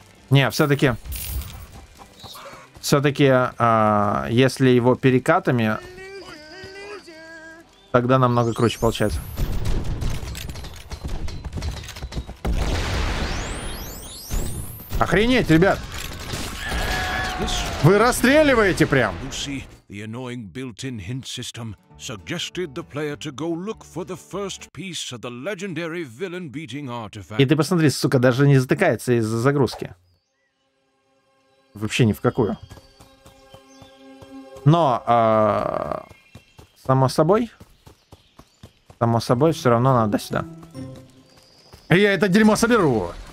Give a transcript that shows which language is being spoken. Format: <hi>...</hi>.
<ru>Не, все-таки... Все-таки, если его перекатами, тогда намного круче получается. Охренеть, ребят! Вы расстреливаете прям!</ru> <en>The annoying built-in hint system suggested the player to go look for the first piece of the legendary villain-beating artifact.</en> <ru>И ты посмотри, сука, даже не затыкается из-за загрузки. Вообще ни в какую. Но, само собой, все равно надо сюда. И я это дерьмо соберу!</ru>